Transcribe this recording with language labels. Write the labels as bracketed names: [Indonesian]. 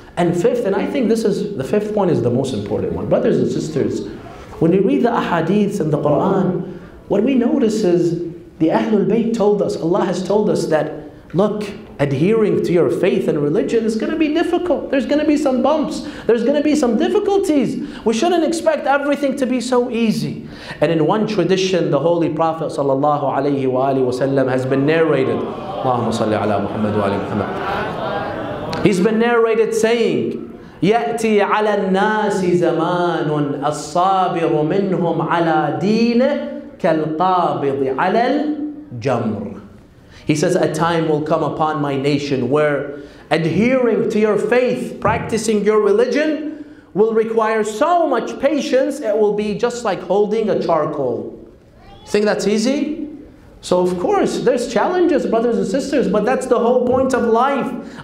[English] And fifth, and I think this is the fifth point is the most important one. Brothers and sisters, when we read the ahadiths and the Quran, what we notice is the Ahlul Bayt told us, Allah has told us that, look, adhering to your faith and religion is going to be difficult. There's going to be some bumps. There's going to be some difficulties. We shouldn't expect everything to be so easy. And in one tradition, the Holy Prophet [Arabic] sallallahu alayhi wa alihi wasallam [English] has been narrated. [Arabic] Allahumma salli ala Muhammad wa ali Muhammad. [English] He's been narrated saying, [Arabic] يَأْتِي عَلَى النَّاسِ زَمَانٌ أَصَّابِرُ مِنْهُمْ عَلَى دِينِهِ كَالْقَابِضِ عَلَى الْجَمْرِ. [English] He says, a time will come upon my nation where adhering to your faith, practicing your religion, will require so much patience, it will be just like holding a charcoal. Think that's easy? So of course, there's challenges, brothers and sisters, but that's the whole point of life.